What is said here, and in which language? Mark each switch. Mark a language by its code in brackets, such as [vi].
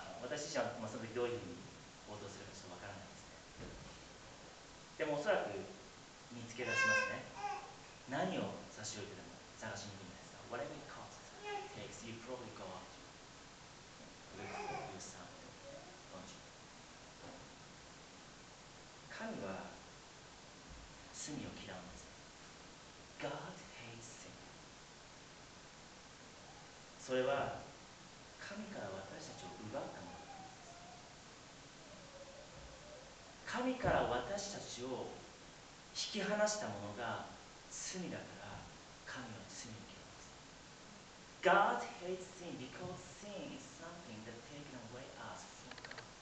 [ja] 私自身はその時どういうふうに応答するかちょっとわからないですね。でもおそらく見つけ出しますね。何を差し置いてでも探しにくいんじゃないですか。 [en] Whatever it costs, it takes, you probably go out. [ja] 神は罪を嫌うんです。 [en] God hates sin. [ja] それは神から私たちを奪ったものなんです。神から私たちを引き離したものが罪だから神は罪を嫌うんです。 [en] God hates sin because sin is something that taken away us from God.